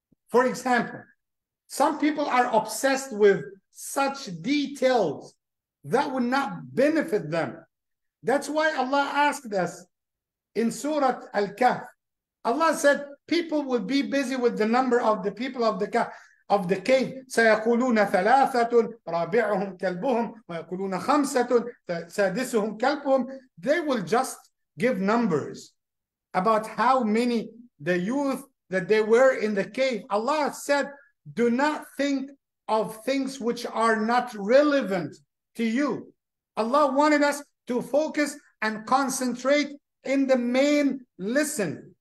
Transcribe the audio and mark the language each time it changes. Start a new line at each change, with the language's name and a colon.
English: For example, some people are obsessed with such details that would not benefit them. That's why Allah asked us in Surah Al-Kahf. Allah said, people will be busy with the number of the people of the cave.
Arabic: سيقولون ثلاثة رابعهم كلبهم ويقولون خمسة سادسهم كلبهم.
English: They will just give numbers about how many the youth that they were in the cave. Allah said, do not think of things which are not relevant to you. Allah wanted us to focus and concentrate in the main lesson.